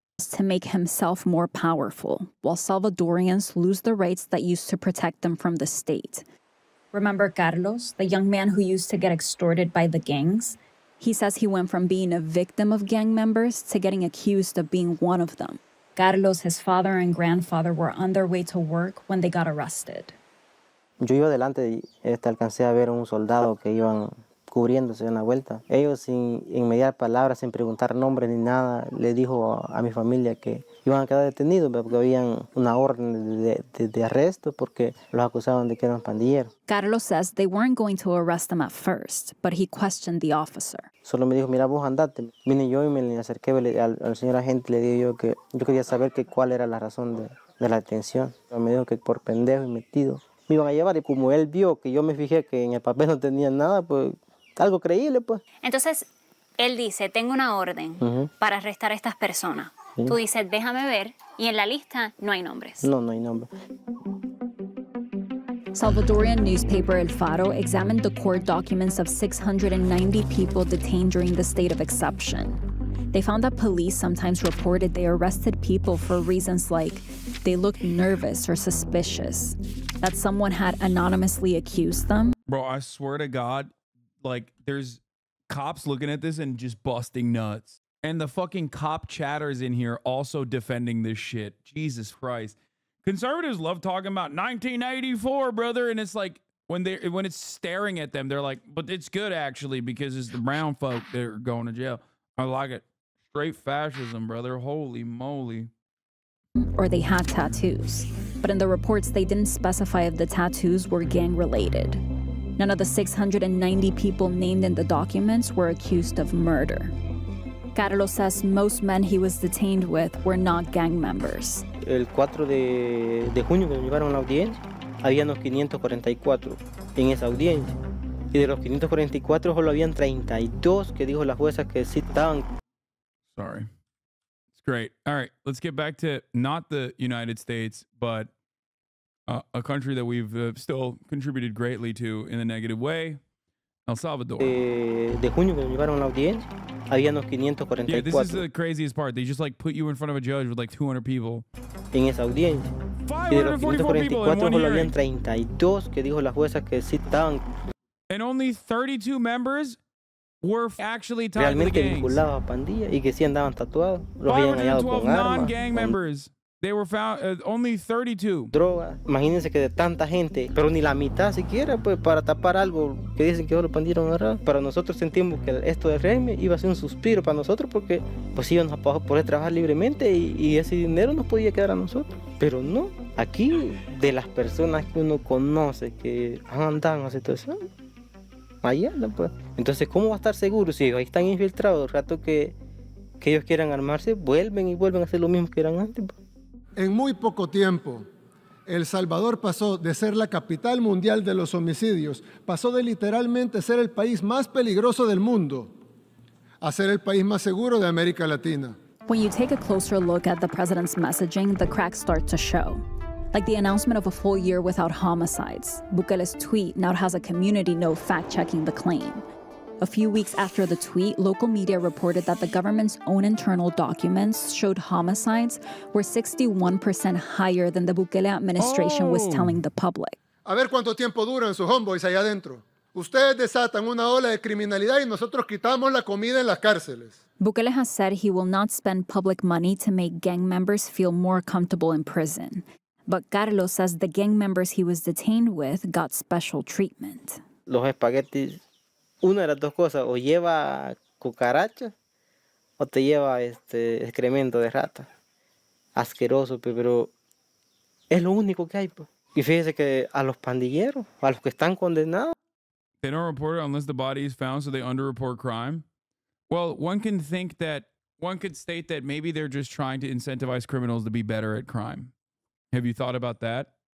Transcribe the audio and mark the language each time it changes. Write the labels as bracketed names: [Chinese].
[English] To make himself more powerful, while Salvadorians lose the rights that used to protect them from the state. Remember Carlos, the young man who used to get extorted by the gangs? He says he went from being a victim of gang members to getting accused of being one of them. Carlos, his father and grandfather were on their way to work when they got arrested. [Spanish] Yo iba adelante y alcancé a ver un soldado que iban cubriéndose una vuelta. Ellos sin inmediar palabras, sin preguntar nombre ni nada, le dijo a mi familia que iban a quedar detenidos porque habían una orden de arresto porque los acusaban de que eran pandilleros. [English] Carlos says they weren't going to arrest him at first, but he questioned the officer. [Spanish] Solo me dijo, mira vos andate. Vine yo y me acerqué al señor agente, le dije yo que yo quería saber que cuál era la razón de la detención. Me dijo que por pendejo y metido me iban a llevar, y como él vio que yo me fijé que en el papel no tenía nada, pues algo creíble, pues. Entonces, él dice, tengo una orden para arrestar a estas personas. Sí. Tú dices, déjame ver, y en la lista no hay nombres. No hay nombres. [English] Salvadorian newspaper El Faro examined the court documents of 690 people detained during the state of exception. They found that police sometimes reported they arrested people for reasons like they looked nervous or suspicious, that someone had anonymously accused them. Bro, I swear to God, like, there's cops looking at this and just busting nuts. And the fucking cop chatters in here also defending this shit. Jesus Christ. Conservatives love talking about 1984, brother. And it's like, when it's staring at them, they're like, but it's good, actually, because it's the brown folk that are going to jail. I like it. Straight fascism, brother. Holy moly. Or they had tattoos. But in the reports, they didn't specify if the tattoos were gang-related. None of the 690 people named in the documents were accused of murder. Carlos says most men he was detained with were not gang members. [Spanish] El 4 de junio que me llevaron a la audiencia, había unos 544 en esa audiencia. Y de los 544 solo habían 32 que dijo la jueza que sí estaban. [English] Sorry. It's great. All right, let's get back to not the United States, but a country that we've still contributed greatly to in a negative way. El Salvador. [Spanish] De junio que lo llevaron a la audiencia, había unos 544. [English] Yeah, this is the craziest part. They just like put you in front of a judge with like 200 people. [Spanish] En esa audiencia. 544 solo habían 32 que dijo la jueza que sí estaban. [English] And only 32 members were actually tied [Spanish] realmente [English] to the gangs. [Spanish] Vinculados a pandilla y que sí andaban tatuados. Los 512 habían [English] non-gang gang members. They were found only 32. [Spanish] Droga. Imagínense que de tanta gente, pero ni la mitad siquiera, pues, para tapar algo que dicen que solo pandieron agarrar. Para nosotros sentimos que esto del régimen iba a ser un suspiro para nosotros porque, pues, íbamos a poder trabajar libremente y ese dinero nos podía quedar a nosotros. Pero no. Aquí, de las personas que uno conoce que han andado en la situación, ahí andan, pues. Entonces, ¿cómo va a estar seguro si ahí están infiltrados? El rato que ellos quieran armarse, vuelven y vuelven a hacer lo mismo que eran antes, pues. En muy poco tiempo, El Salvador pasó de ser la capital mundial de los homicidios, pasó de literalmente ser el país más peligroso del mundo, a ser el país más seguro de América Latina. [English] When you take a closer look at the president's messaging, the cracks start to show. Like the announcement of a full year without homicides. Bukele's tweet now has a community note fact-checking the claim. A few weeks after the tweet, local media reported that the government's own internal documents showed homicides were 61% higher than the Bukele administration was telling the public. [Spanish] A ver cuánto tiempo duran sus homeboys allá adentro. Ustedes desatan una ola de criminalidad y nosotros quitamos la comida en las cárceles. [English] Bukele has said he will not spend public money to make gang members feel more comfortable in prison. But Carlos says the gang members he was detained with got special treatment. [Spanish] Los espaguetis. Una de las dos cosas, o lleva cucaracha o te lleva excremento de rata. Asqueroso, pero es lo único que hay. Po. Y fíjese que a los pandilleros, a los que están condenados. [English] They don't report it unless the body is found, so they underreport crime. Well, one could state that maybe they're just trying to incentivize criminals to be better at crime. Have you thought about that?